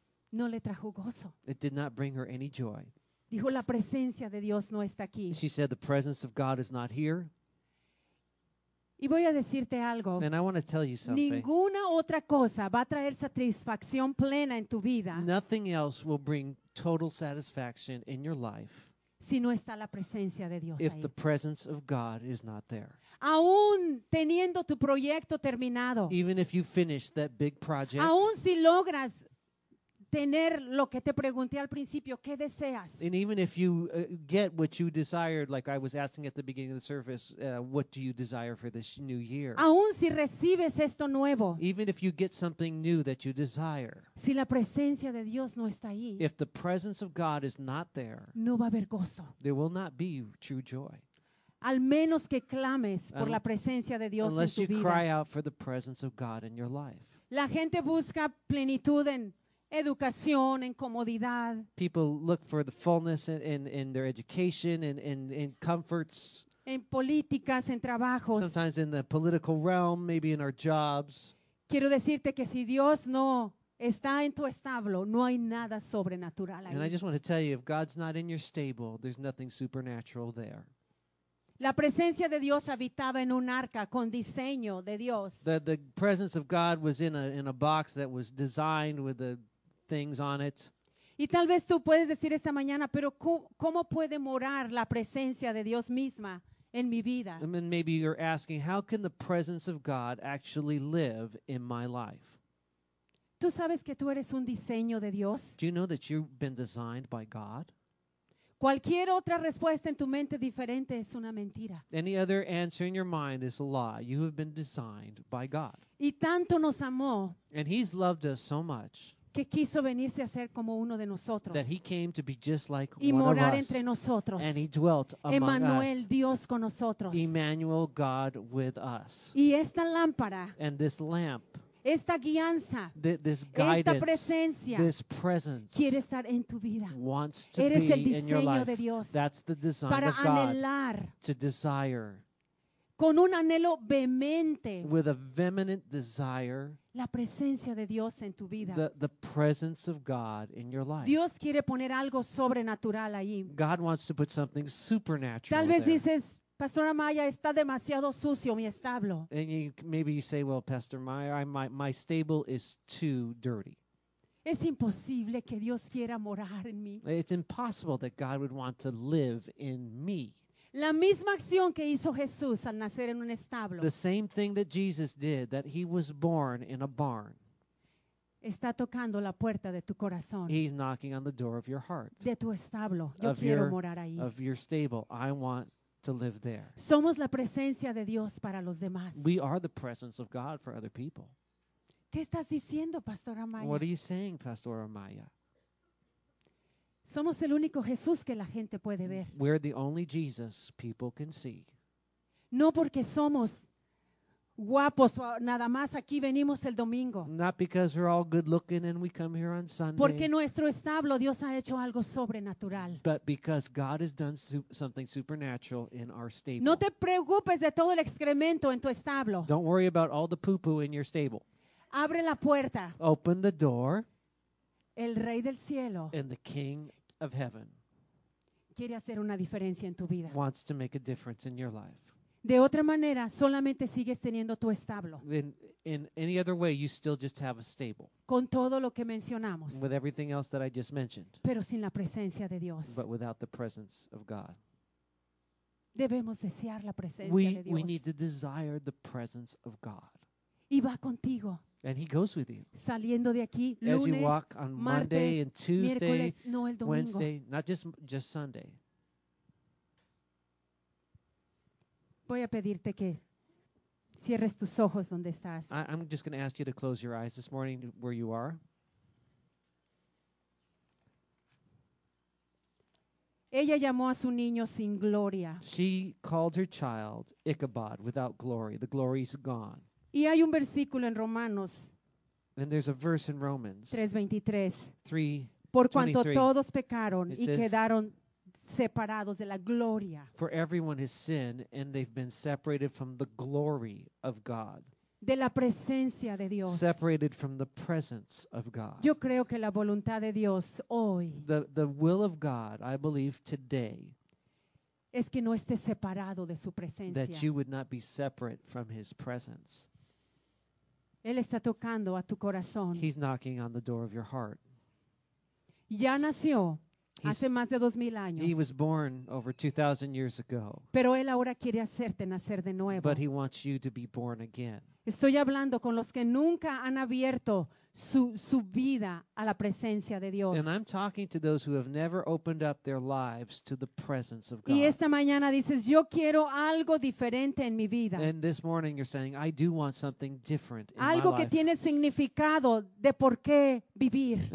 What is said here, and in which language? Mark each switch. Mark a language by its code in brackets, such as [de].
[es] No le trajo gozo. [en] It did not bring her any joy. [es] Dijo, la presencia de Dios no está aquí. [en] She said, the presence of God is not here. [es] Y voy a decirte algo. [en] And I want to tell you something. [es] Ninguna otra cosa va a traer satisfacción plena en tu vida. [en] Nothing else will bring total satisfaction in your life. [es] Si no está la presencia de Dios ahí. [en] If the presence of God is not there. [es] Aún teniendo tu proyecto terminado. [en] Even if you finish that big project. [es] Aún si logras tener lo que te pregunté al principio, ¿qué deseas? [en] And even if you get what you desired, like I was asking at the beginning of the service, what do you desire for this new year? [es] Aún si recibes esto nuevo. [en] Even if you get something new that you desire. [es] Si la presencia de Dios no está ahí. [en] If the presence of God is not there. [es] No va a haber gozo. [en] There will not be true joy. [es] Al menos que clames por la presencia de Dios en tu vida. [en] Unless you cry out for the presence of God in your life. [es] La gente busca plenitud en educación, en comodidad. [en] People look for the fullness in their education and in comforts. [es] En políticas, en trabajos. [en] Sometimes in the political realm, maybe in our jobs. [es] Quiero decirte que si Dios no está en tu establo, no hay nada sobrenatural ahí. [en] And I just want to tell you, if God's not in your stable, there's nothing supernatural there. [es] La presencia de Dios habitaba en un arca con diseño de Dios. [en] The presence of God was in a box that was designed with the things on it. [es] Y tal vez tú puedes decir esta mañana, pero ¿cómo puede morar la presencia de Dios misma en mi vida? [en] And then maybe you're asking, how can the presence of God actually live in my life? [es] ¿Tú sabes que tú eres un diseño de Dios? [en] Do you know that you've been designed by God? [es] Cualquier otra respuesta en tu mente diferente es una mentira. [en] Any other answer in your mind is a lie. You have been designed by God. [es] Y tanto nos amó. [en] And he's loved us so much. [es] Que quiso venirse a ser como uno de nosotros. [en] That he came to be just like one of us. [es] Y morar entre nosotros. [en] And he dwelt among us. [es] Emmanuel, Dios con nosotros. [en] Emmanuel, God with us. [es] Y esta lámpara. [en] And this lamp. [es] Esta guianza, [en] this guidance, [es] esta presencia, [en] this presence [es] quiere estar en tu vida. [en] Wants to [es] eres [en] be [es] el diseño [en] in your life. [es] De Dios. [en] That's the design [es] para [en] of [es] anhelar. [en] God to desire. [es] Con un anhelo vehemente. [en] With a vehement desire. [es] La presencia de Dios en tu vida. [en] The presence of God in your life. [es] Dios quiere poner algo sobrenatural ahí. [en] God wants to put something supernatural. [es] Tal vez [en] there. [es] Dices, Pastora Maya, está demasiado sucio mi establo. [en] And maybe you say, well, Pastor Maya, my stable is too dirty. [es] Es imposible que Dios quiera morar en mí. [en] It's impossible that God would want to live in me. [es] La misma acción que hizo Jesús al nacer en un establo. [en] The same thing that Jesus did, that he was born in a barn. [es] Está tocando la puerta de tu corazón. [en] He's knocking on the door of your heart. [es] De tu establo. Yo quiero morar ahí. [en] Of your stable. I want to live there. [es] Somos la presencia de Dios para los demás. [en] We are the presence of God for other people. [es] ¿Qué estás diciendo, Pastora Maya? [en] What are you saying, Pastora Maya? [es] Somos el único Jesús que la gente puede ver. [en] We're the only Jesus people can see. [es] No porque somos guapos, nada más aquí venimos el domingo. [en] Not because we're all good looking and we come here on Sunday. [es] Porque nuestro establo, Dios ha hecho algo sobrenatural. [en] But because God has done something supernatural in our stable. [es] No te preocupes de todo el excremento en tu establo. [en] Don't worry about all the poo-poo in your stable. [es] Abre la puerta. [en] Open the door. [es] El Rey del Cielo. [en] And the King of Heaven. [es] Quiere hacer una diferencia en tu vida. [en] Wants to make a difference in your life. [es] De otra manera, solamente sigues teniendo tu establo. [en] In any other way, you still just have a stable. [es] Con todo lo que mencionamos. [en] With everything else that I just mentioned. [es] Pero sin la presencia de Dios. [en] But without the presence of God. [es] Debemos desear la presencia de Dios. [en] We need to desire the presence of God. [es] Y va contigo. [en] And he goes with you. [es] Saliendo de aquí, [en] as [es] lunes, [en] you walk on [es] martes, [en] Monday and Tuesday, [es] no, [en] Wednesday, not just Sunday. [es] Voy a pedirte que cierres tus ojos donde estás. [en] I'm just going to ask you to close your eyes this morning where you are. [es] Ella llamó a su niño sin gloria. [en] She called her child Ichabod, without glory. The glory's gone. [es] Y hay un versículo en Romanos. [en] And there's a verse in Romans. [es] 3:23. [en] 3:23. [es] Por cuanto todos pecaron y quedaron separados de la gloria. [en] For everyone has sinned and they've been separated from the glory of God. [es] De la presencia de Dios. [en] Separated from the presence of God. [es] Yo creo que la voluntad de Dios hoy. [en] The will of God, I believe today. [es] Es que no estés separado de su presencia. [en] That you would not be separate from his presence. [es] Él está tocando a tu corazón. [en] He's knocking on the door of your heart. [es] Ya nació hace más de 2,000 años. [en] He was born over 2,000 years ago. [es] Pero él ahora quiere hacerte nacer de nuevo. [en] But he wants you to be born again. [es] Estoy hablando con los que nunca han abierto su vida a la presencia de Dios. [en] And I'm talking to those who have never opened up their lives to the presence of God. [es] Y esta mañana dices, yo quiero algo diferente en mi vida. [en] And this morning you're saying, I do want something different in my life. [es] Algo que tiene significado de por qué vivir.